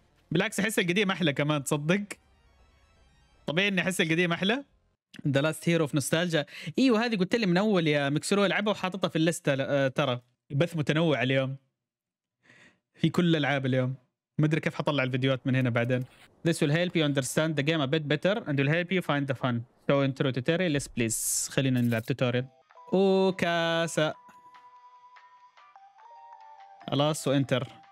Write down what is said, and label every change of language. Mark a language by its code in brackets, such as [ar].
[ar] بالعكس احس القديم احلى كمان تصدق. طبيعي اني احس القديم احلى. ذا لاست هيرو في نوستالجيا. ايوه هذه قلت لي من اول يا مكسرو العبها وحاططها في الليسته. ترى بث متنوع اليوم في كل العاب اليوم. ما ادري كيف حطلع الفيديوهات من هنا بعدين. [en] This will help you understand the game a bit better and will help you find the fun. So intro tutorial is please. [ar] خلينا نلعب tutorial. وكاسة خلاص وانتر.